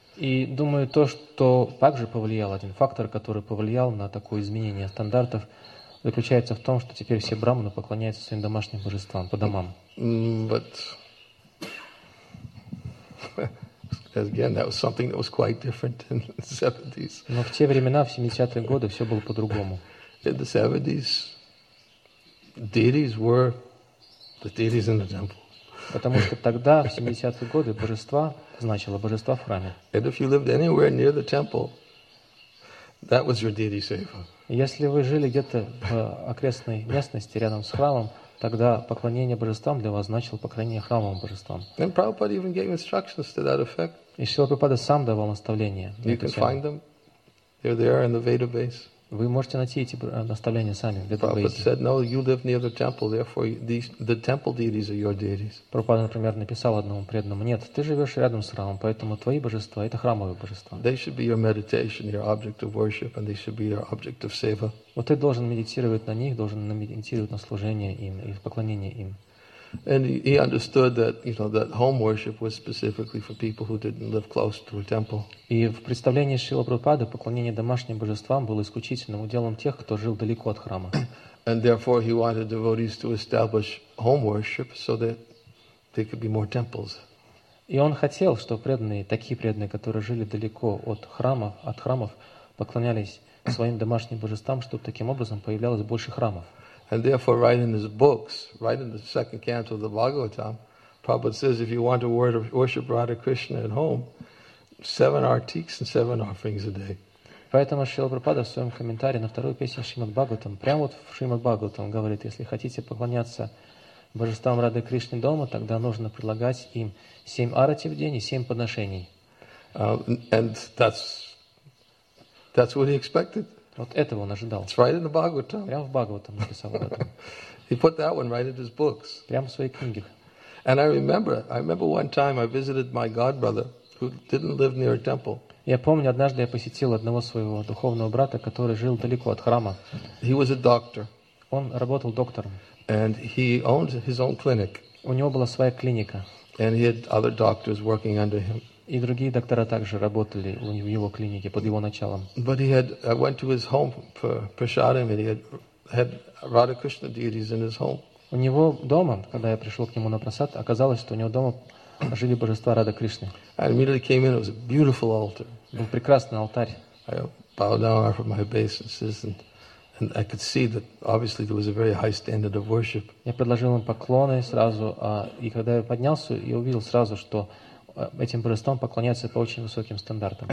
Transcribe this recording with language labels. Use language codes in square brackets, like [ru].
[ru] И думаю, то, что также повлияло, один фактор, который повлиял на такое изменение стандартов, заключается в том, что теперь все брахманы поклоняются своим домашним божествам по домам. [en] But again, that was something that was quite different in the 70s. [ru] Но в те времена, в 70-е годы, все было по-другому. [en] In the 70s, deities were the deities in the temple. [ru] Потому что тогда, в 70-е годы, божества значило божества в храме. [en] And if you lived anywhere near the temple, that was your deity seva. [ru] Если вы жили где-то в окрестной местности, рядом с храмом, тогда поклонение божествам для вас значило поклонение храмовым божествам. [en] And Prabhupada even gave instructions to that effect. [ru] И Шрила Прабхупада сам давал наставления. [en] You can find them. They're there in the Veda base. [ru] Вы можете найти эти наставления сами в Веда-бейсе. [en] Prabhupada said, no, you live near the temple, therefore the temple deities are your deities. [ru] Прабхупада, например, написал одному преданному, нет, ты живешь рядом с храмом, поэтому твои божества — это храмовые божества. [en] They should be your meditation, your object of worship, and they should be your object of seva. [ru] Вот ты должен медитировать на них, должен медитировать на служение им и поклонение им. [en] And he understood that, you know, that home worship was specifically for people who didn't live close to a temple. [ru] И в представлении Шрилы Прабхупады поклонение домашним божествам было исключительным уделом тех, кто жил далеко от храма. [en] And therefore he wanted devotees to establish home worship so that there could be more temples. [ru] И он хотел, чтобы преданные, такие преданные, которые жили далеко от храмов, поклонялись своим домашним божествам, чтобы таким образом появлялось больше храмов. [en] And therefore, right in his books, right in the second canto of the Bhagavatam, Prabhupada says, if you want to worship Radha Krishna at home, 7 artiks and 7 offerings a day. [ru] Поэтому Шрила Прабхупада в своем комментарии на вторую песню Шримад Бхагаватам, прямо вот в Шримад Бхагаватам говорит, если хотите поклоняться божествам Радхи Кришны дома, тогда нужно предлагать им 7 арати в день и 7 подношений. [en] And that's what he expected. [ru] Вот этого он ожидал. [en] It's right in the Bhagavatam. [ru] Прямо в Бхагаватам написал об этом. [en] He put that one right in his books. [ru] Прямо в своих книгах. [en] And I remember one time I visited my godbrother who didn't live near a temple. [ru] Я помню, однажды я посетил одного своего духовного брата, который жил далеко от храма. [en] He was a doctor. [ru] Он работал доктором. [en] And he owned his own clinic. [ru] У него была своя клиника. [en] And he had other doctors working under him. [ru] И другие доктора также работали у него в его клинике под его началом. [en] But he had, I went to his home for prasadam, and he had Radha Krishna deities in his home. [ru] У него дома, когда я пришел к нему на прасад, оказалось, что у него дома жили божества Радха Кришны. [en] I immediately came in. It was a beautiful altar. [ru] Был прекрасный алтарь. [en] I bowed down from my obeisances, and I could see that obviously there was a very high standard of worship. [ru] Я предложил им поклоны сразу, и когда я поднялся, я увидел сразу, что этим божествам поклоняются по очень высоким стандартам.